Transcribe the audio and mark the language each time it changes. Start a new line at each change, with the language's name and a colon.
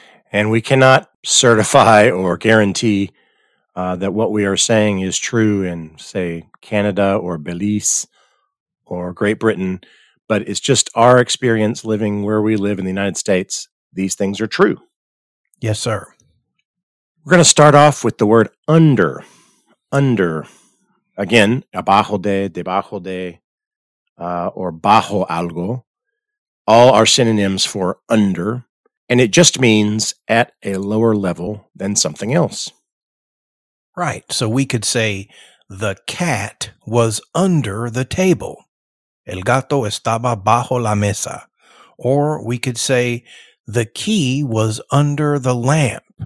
English: And we cannot certify or guarantee that what we are saying is true in, say, Canada or Belize or Great Britain, but it's just our experience living where we live in the United States. These things are true. Yes, sir. We're going to start off with the word under. Under. Again,
Spanish: abajo de, debajo de, or bajo algo.
English: All are synonyms for under. And it just means at a lower level than something else. Right. So we could say, the cat was under the table.
Spanish: El gato estaba bajo la mesa.
English: Or we could say, the key was under the lamp.